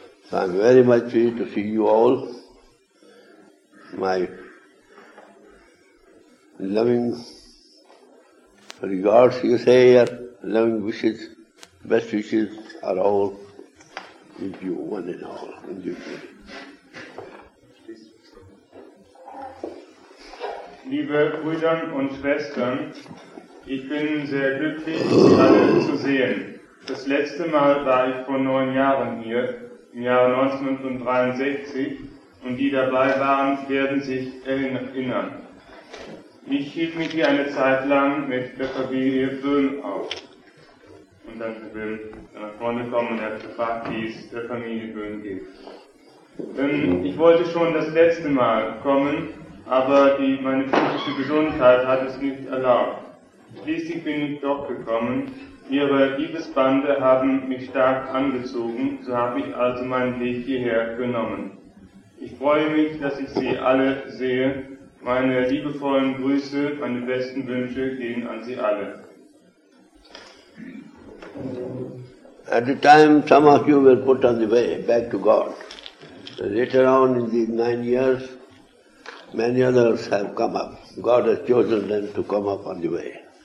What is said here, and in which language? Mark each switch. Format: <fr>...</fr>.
<en>So I am very much pleased to see you all. My loving regards, you say, or loving wishes, best wishes are all with you, one and all, individually.</en> <de>Liebe Brüder und Schwestern, ich bin sehr glücklich, Sie alle zu sehen. Das letzte Mal war ich vor 9 Jahren hier, im Jahre 1963, und die dabei waren, werden sich erinnern. Ich hielt mich hier eine Zeit lang mit der Familie Böhm auf. Und dann bin ich nach vorne gekommen und habe gefragt, wie es der Familie Böhm geht. Ich wollte schon das letzte Mal kommen, aber meine physische Gesundheit hat es nicht erlaubt. Schließlich bin ich doch gekommen. Ihre Liebesbande haben mich stark angezogen, so habe ich also meinen Weg hierher genommen. Ich freue mich, dass ich Sie alle sehe. Meine liebevollen Grüße, meine besten Wünsche gehen an Sie alle.</de> <en>At the time, some of you were put on the way back to God. Later on in these 9 years, many others have come up. God has chosen them to come up on the way.</en>